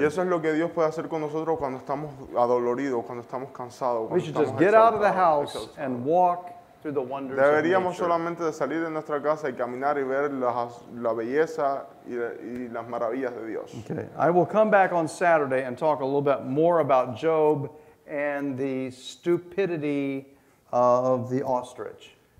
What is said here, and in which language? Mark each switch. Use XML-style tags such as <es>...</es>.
<es>Y eso es lo que Dios puede hacer con nosotros cuando estamos adoloridos, cuando estamos cansados.</es> <en>We should just get out of the house and walk through the wonders of nature.</en> <es>Deberíamos solamente de salir de nuestra casa y caminar y ver la belleza y las maravillas de Dios.</es> <en>Okay. I will come back on Saturday and talk a little bit more about Job and the stupidity of the ostrich.</en>